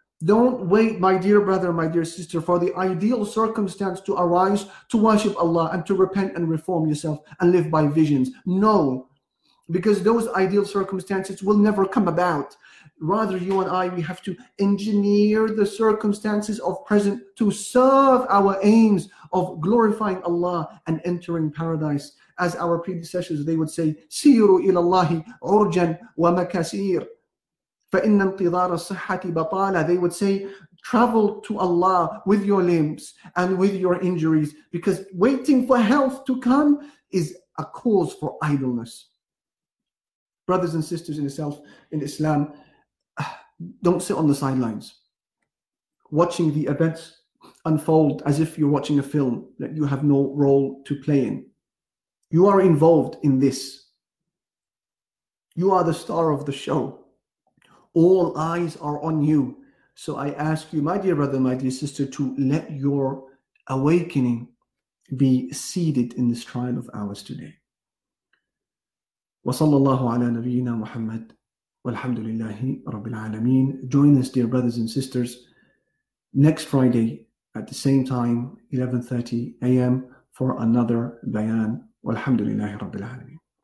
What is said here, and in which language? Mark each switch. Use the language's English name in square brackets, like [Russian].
[English] Don't wait, my dear brother, my dear sister, for the ideal circumstance to arise to worship Allah and to repent and reform yourself and live by visions. No. Because those ideal circumstances will never come about. Rather, you and I, we have to engineer the circumstances of present to serve our aims of glorifying Allah and entering paradise. As our predecessors, they would say, [Arabic] سيروا إلى الله عرجاً ومكاسير فإن انتظار الصحة بطالة. [English] They would say, travel to Allah with your limbs and with your injuries, because waiting for health to come is a cause for idleness. Brothers and sisters in Islam, don't sit on the sidelines watching the events unfold as if you're watching a film that you have no role to play in. You are involved in this. You are the star of the show. All eyes are on you. So I ask you, my dear brother, my dear sister, to let your awakening be seeded in this trial of ours today. [Arabic] وصلى الله على نبينا محمد والحمد لله رب العالمين. [English] Join us, dear brothers and sisters, next Friday at the same time, 11:30 a.m. for another bayan. [Arabic] والحمد لله رب العالمين.